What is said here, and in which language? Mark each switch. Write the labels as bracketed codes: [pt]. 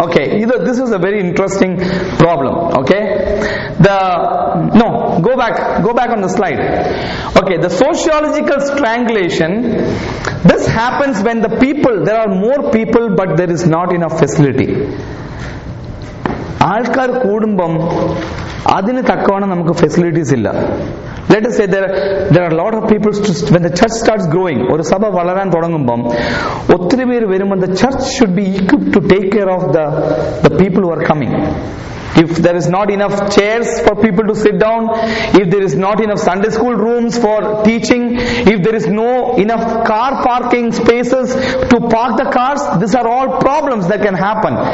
[en] Okay, this is a very interesting problem. Okay, go back on the slide. Okay, the sociological strangulation, this happens when the people, there are more people but there is not enough facility. [ml] ആൾക്കാർ കൂടുമ്പം അതിന് തക്കവണ്ണം നമുക്ക് facilities ഇല്ല. [en] Let us say there are a lot of people. When the church starts growing, or [ml] sabha valaran thodangumbam, ottri veer verumba, [en] the church should be equipped to take care of the people who are coming. If there is not enough chairs for people to sit down, if there is not enough Sunday school rooms for teaching, if there is no enough car parking spaces to park the cars, these are all problems that can happen.